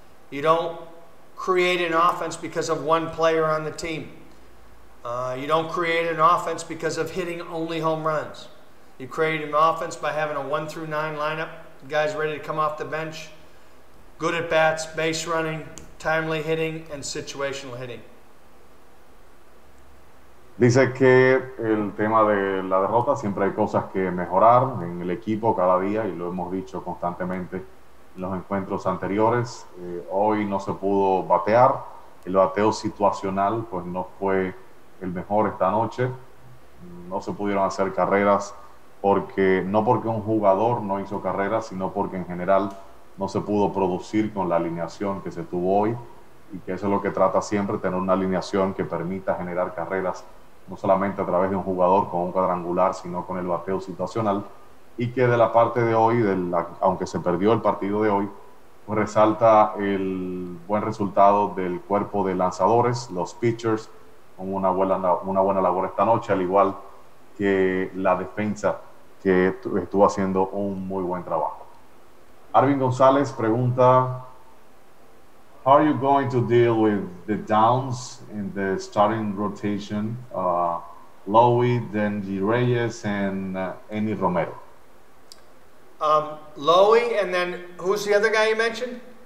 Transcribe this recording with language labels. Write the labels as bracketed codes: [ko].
[en] You don't create an offense because of one player on the team. You don't create an offense because of hitting only home runs. You create an offense by having a 1-9 lineup, guys ready to come off the bench, good at-bats, base running, timely hitting, and situational hitting. [es] Dice que el tema de la derrota, siempre hay cosas que mejorar en el equipo cada día, y lo hemos dicho constantemente en los encuentros anteriores. Hoy no se pudo batear, el bateo situacional pues no fue el mejor esta noche, no se pudieron hacer carreras, no porque un jugador no hizo carreras, sino porque en general no se pudo producir con la alineación que se tuvo hoy, y que eso es lo que trata siempre, tener una alineación que permita generar carreras, no solamente a través de un jugador con un cuadrangular, sino con el bateo situacional. Y que de la parte de hoy, aunque se perdió el partido de hoy, pues resalta el buen resultado del cuerpo de lanzadores, los pitchers, con una buena labor esta noche, al igual que la defensa, que estuvo haciendo un muy buen trabajo. [en] Arvin González pregunta: how are you going to deal with the downs in the starting rotation, Lowy, then G. Reyes, and Eni Romero? Lowy, and then who's the other guy you mentioned?